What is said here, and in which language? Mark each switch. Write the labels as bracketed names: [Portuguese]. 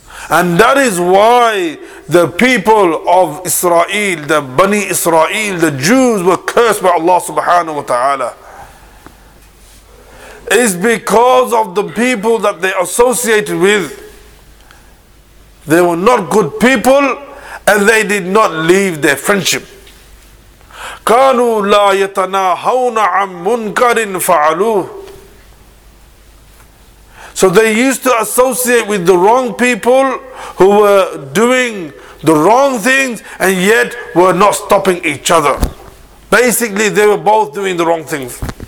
[English] And that is why the people of Israel, the Bani Israel, the Jews were cursed by Allah subhanahu wa ta'ala. It's because of the people that they associated with. They were not good people and they did not leave their friendship. [Arabic] كانوا لا يتناهون عن منكر فعلوه. [English] So they used to associate with the wrong people who were doing the wrong things and yet were not stopping each other. Basically, they were both doing the wrong things.